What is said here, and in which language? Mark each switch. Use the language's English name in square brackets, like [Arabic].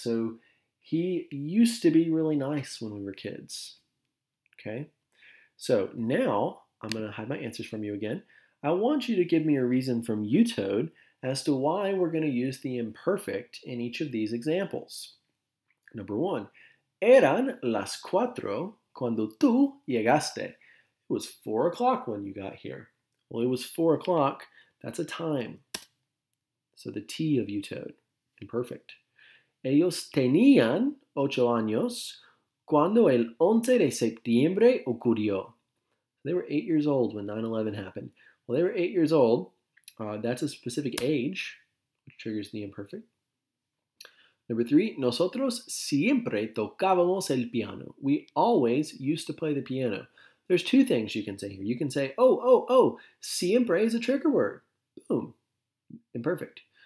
[English] So he used to be really nice when we were kids, okay? So now I'm going to hide my answers from you again. I want you to give me a reason from UTOD as to why we're going to use the imperfect in each of these examples. [Spanish] Number one, eran las cuatro cuando tú llegaste. [English] It was 4 o'clock when you got here. Well, it was 4 o'clock. That's a time. So the T of UTOD, imperfect. [Spanish] Ellos tenían 8 años cuando el 11 de septiembre ocurrió. [English] They were 8 years old when 9/11 happened. Well, they were 8 years old. That's a specific age, which triggers the imperfect. [Spanish] Number three, nosotros siempre tocábamos el piano. [English] We always used to play the piano. There's two things you can say here. You can say, oh, siempre is a trigger word. Boom, imperfect.